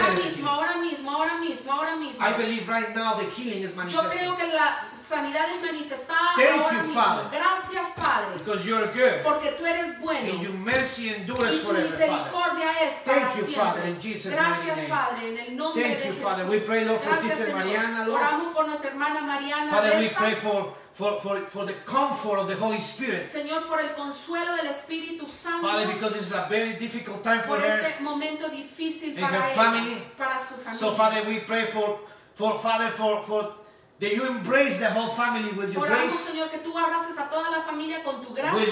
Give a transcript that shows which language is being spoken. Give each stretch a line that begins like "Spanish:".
Spanish: ahora mismo, ahora mismo, ahora mismo, ahora mismo.
English: I believe right now the healing is manifesting.
Spanish: Yo creo que la sanidades manifestadas ahora mismo. Gracias, Padre.
English: Because you're good.
Spanish: Porque tú eres bueno.
English: And your mercy endures forever,
Spanish: Father. Y tu misericordia es para siempre.
English: Thank you, Father, in Jesus' name.
Spanish: Gracias, Padre, en el nombre de Jesús.
English: Thank you, Father. We pray, Lord, for Sister Mariana, Lord.
Spanish: Oramos por nuestra hermana Mariana.
English: Father, we pray for the comfort of the Holy Spirit.
Spanish: Señor, por el consuelo del Espíritu Santo.
English: Father, because it's a very difficult time for
Spanish: her. Por este momento difícil
English: para her family.
Spanish: Para su familia.
English: So, Father, we pray for that you embrace the whole family with your
Spanish: oramos,
English: grace.
Spanish: Señor, que tú abraces a toda la familia con tu gracia.